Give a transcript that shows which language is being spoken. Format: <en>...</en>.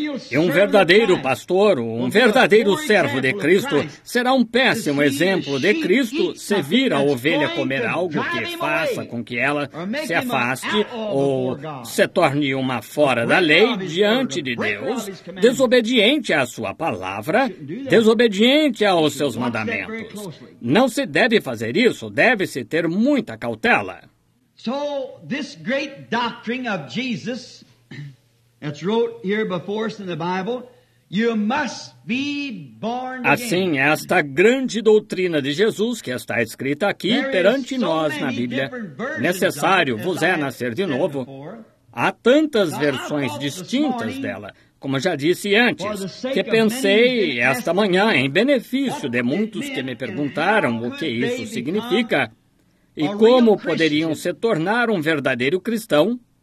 <pt>E um verdadeiro pastor, um verdadeiro servo de Cristo, será um péssimo exemplo de Cristo se vir a ovelha comer algo que faça com que ela se afaste ou se torne uma fora da lei diante de Deus, desobediente à sua palavra, desobediente aos seus mandamentos. Não se deve fazer isso, deve-se ter muita cautela. Então, essa grande doutrina de Jesus,</pt> <en>that's wrote here before us in the Bible, you must be born again.</en> <pt>Assim, esta grande doutrina de Jesus que está escrita aqui perante nós na Bíblia, necessário vos é nascer de novo, há tantas versões distintas dela, como já disse antes, que pensei esta manhã em benefício de muitos que me perguntaram o que isso significa e como poderiam se tornar um verdadeiro cristão.</pt>